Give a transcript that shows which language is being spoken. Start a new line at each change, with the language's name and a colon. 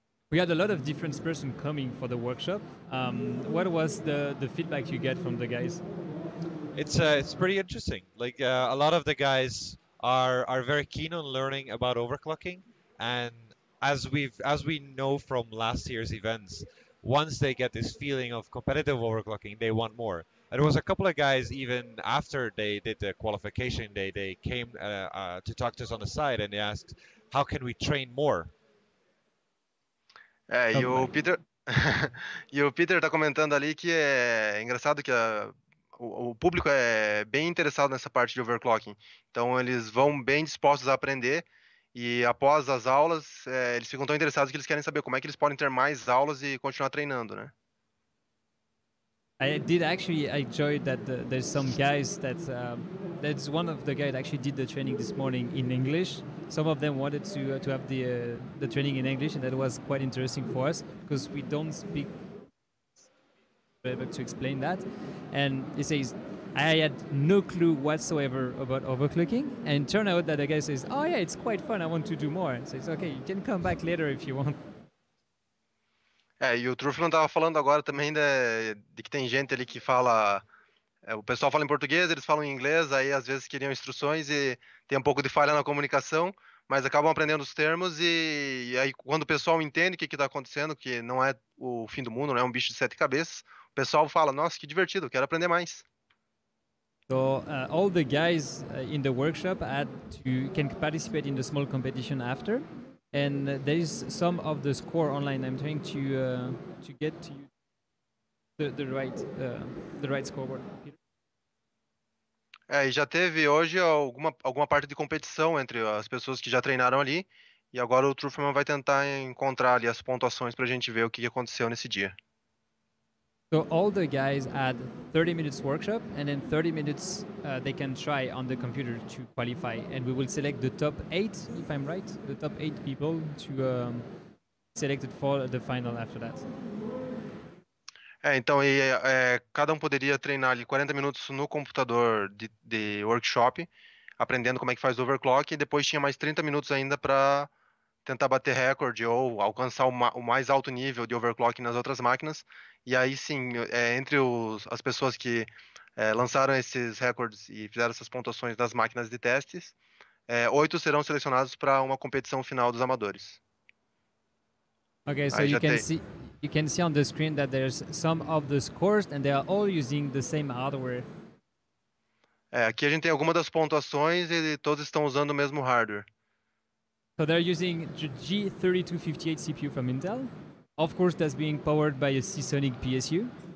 English: We had a lot of different person coming for the workshop. What was the feedback you get from the guys? It's pretty interesting. Like a lot of the guys are very keen on learning about overclocking, and as we know from last year's events, once they get this feeling of competitive overclocking, they want more. And there was a couple of guys even after they did the qualification day, they came to talk to us on the side and they asked, "How can we train more?"
Portuguese: É, e o Peter e o Peter está comentando ali que é engraçado que o público é bem interessado nessa parte de overclocking. Então eles vão bem dispostos a aprender. E após as aulas, eles ficam tão interessados que eles querem saber como é que eles podem ter mais aulas e continuar treinando, né?
English: I did actually enjoy that there's some guys that's one of the guys that actually did the training this morning in English. Some of them wanted to have the training in English, and that was quite interesting for us because we don't speak able to explain that. And he says, I had no clue whatsoever about overclocking, and it turned out that the guy says, oh yeah, it's quite fun, I want to do more. He says, okay, you can come back later if you want.
Portuguese: É, e o Truffle não estava falando agora também de que tem gente ali que fala. O pessoal fala em português, eles falam em inglês, aí às vezes queriam instruções e tem um pouco de falha na comunicação, mas acabam aprendendo os termos e aí quando o pessoal entende o que está acontecendo, que não é o fim do mundo, não é um bicho de sete cabeças, o pessoal fala: Nossa, que divertido, quero aprender mais.
English: So all the guys in the workshop can participate in the small competition after, and there is some of the score online. I'm trying to get to you the right scoreboard.
Portuguese: É, e já teve hoje alguma parte de competição entre as pessoas que já treinaram ali, e agora o Truffman vai tentar encontrar ali as pontuações para a gente ver o que aconteceu nesse dia.
English: So all the guys had 30 minutes workshop, and then 30 minutes they can try on the computer to qualify. And we will select the top eight, if I'm right, the top eight people to selected for the final after that.
Portuguese: É, então, cada um poderia treinar ali 40 minutos no computador de workshop, aprendendo como é que faz o overclock, e depois tinha mais 30 minutos ainda para tentar bater recorde ou alcançar o mais alto nível de overclock nas outras máquinas. E aí sim, entre as pessoas que lançaram esses recordes e fizeram essas pontuações nas máquinas de testes, oito serão selecionados para uma competição final dos amadores.
English: Okay, so
Portuguese: Aí já tem.
English: you can see on the screen that there's some of the scores, and they are all using the same hardware.
Portuguese: É, aqui a gente tem algumas das pontuações e todos estão usando o mesmo hardware.
English: So they're using G3258 CPU from Intel. Of course, that's being powered by a Seasonic PSU.